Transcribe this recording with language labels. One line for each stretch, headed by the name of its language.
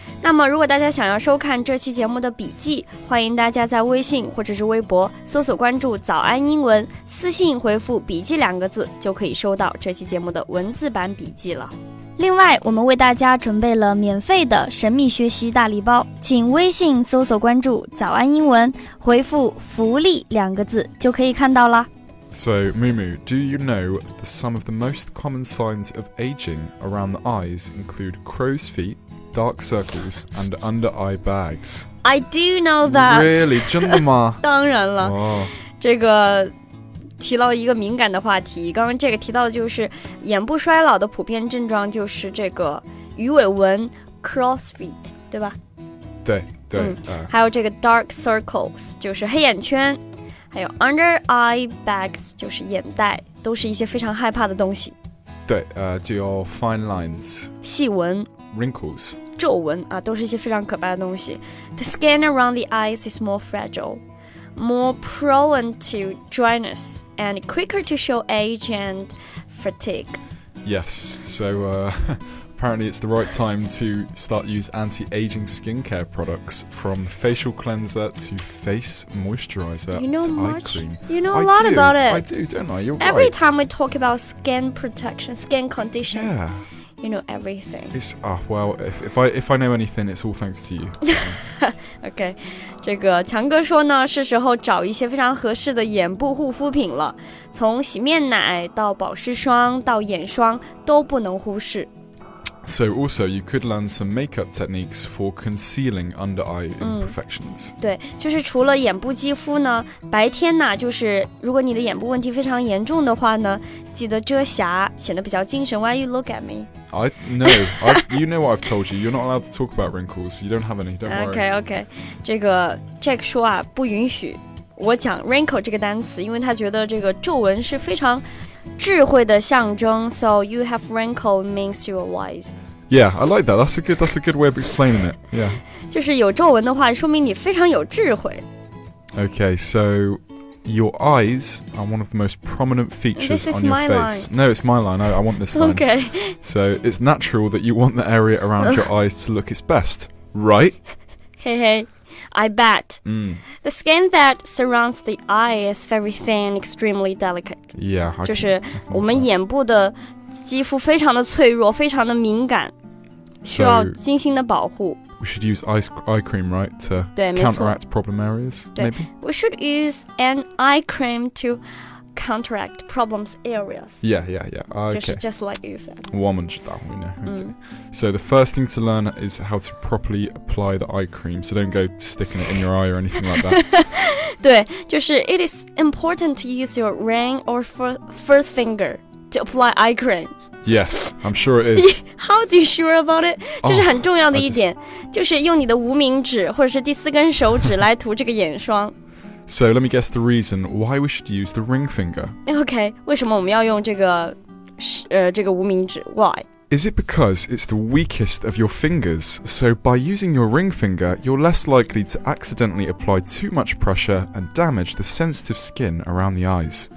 Chinese: 那么如果大家想要收看这期节目的笔记，欢迎大家在微信或者是微博搜索关注早安英文，私信回复笔记两个字，就可以收到这期节目的文字版笔记了。另外我们为大家准备了免费的神秘学习大礼包，请微信搜索关注早安英文，回复福利两个字就可以看到了。
English: So, Mumu, do you know that some of the most common signs of aging around the eyes include crow's feet, dark circles, and under-eye bags? I do know that. Really?
Chinese: 真的吗？当然了。这个提到一个敏感的话题，刚刚这个提到的就是眼部衰老的普遍症状就是这个鱼尾纹 crow's feet, 对吧？对对、嗯。还有这个 dark circles, 就是黑眼圈。还有 under eye bags 就是眼袋，都是一些非常害怕的东西。对，就有 fine lines 细纹
English: wrinkles
Chinese: 皱纹啊，都是一些非常可怕的东西。
English: The skin around the eyes is more fragile, more prone to dryness, and quicker to show age and fatigue. Yes, so apparently it's the right time to start use anti-aging skincare products, from facial cleanser to face moisturizer You know a lot about it. I do, don't I? You're every right. time we talk about skin protection, skin condition, yeah, you know everything. It's, well, if I know anything, it's all thanks to you. Okay.
Chinese: 这个强哥说呢，是时候找一些非常合适的眼部护肤品了，从洗面奶到保湿霜到眼霜都不能忽视。
English: So also, you could learn some makeup techniques for concealing under-eye imperfections.、
Chinese: 嗯、对，就是除了眼部肌肤呢，白天呢，就是如果你的眼部问题非常严重的话呢，记得遮瑕，显得比较精神。
English: Why you look at me? You know what I've told you. You're not allowed to talk about wrinkles. You don't have any. Don't worry. Okay, okay.
Chinese: 这个 Jack 说啊，不允许我讲 wrinkle 这个单词，因为他觉得这个皱纹是非常智慧的象征。
English: So you have wrinkle means you are wise. Yeah, I like that. That's a good way of explaining it. Yeah.
Chinese: 就是有皱纹的话，说明你非常有智慧。
English: Okay, so your eyes are one of the most prominent features on your face. No, it's my line. I want this line. Okay. So it's natural that you want the area around your eyes to look its best, right? Hey. I bet. The skin that surrounds the eye is very thin, extremely delicate. Yeah.
Chinese: 就是我们眼部的肌肤非常的脆弱，非常的敏感，需要精心的保护。
English: We should use eye cream, right, to counteract problem areas, maybe? We should use an eye cream to counteract problems areas. Yeah, yeah, yeah. Okay. Just like you said.
Chinese: 我们知道，
English: okay. So the first thing to learn is how to properly apply the eye cream. So don't go sticking it in your eye or anything like that.
Chinese: 对，就是
English: it is important to use your ring or first finger. To apply eye cream. Yes, I'm sure it is. How do you sure about it?
Chinese: 这是很重要的一点，就是用你的无名指或者是第四根手指来涂这个眼霜。
English: So let me guess the reason why we should use the ring finger. Okay,
Chinese: 为什么我们要用这个无名指 ？
English: Why? Is it because it's the weakest of your fingers? So by using your ring finger, you're less likely to accidentally apply too much pressure and damage the sensitive skin around the eyes.